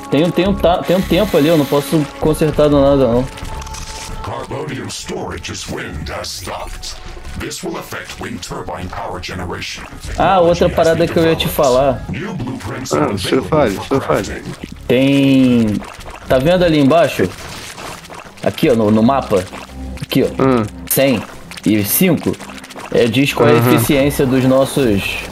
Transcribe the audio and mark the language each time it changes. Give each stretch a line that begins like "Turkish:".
Portuguese: Tem um tempo ali, eu não posso consertar do nada, não.
English: Carbonium storage is wind has stopped. This will affect wind turbine power generation.
Portuguese: Ah, outra parada que eu ia te falar. Deixa eu falar. Tem. Tá vendo ali embaixo? Aqui, ó, no mapa. Aqui, ó. 100 e 5. É, diz qual é a eficiência dos nossos.